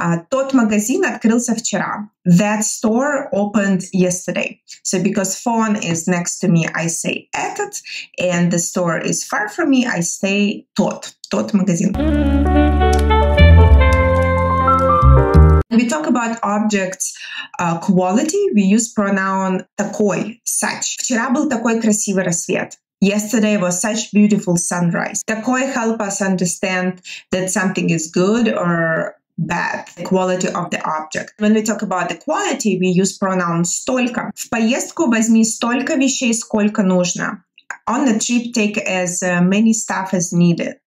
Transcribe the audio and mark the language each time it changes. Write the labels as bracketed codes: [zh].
[ru] Тот магазин открылся вчера. [en] That store opened yesterday. So because phone is next to me, I say этот, and the store is far from me, I say тот. [ru] Тот магазин. [en] We talk about objects' quality. We use pronoun такой, such. [ru] Вчера был такой красивый рассвет. [en] Yesterday was such beautiful sunrise. Такое help us understand that something is good or bad, the quality of the object. When we talk about the quality, we use pronoun столько. [ru] В поездку возьми столько вещей, сколько нужно. [en] On the trip, take as many stuff as needed.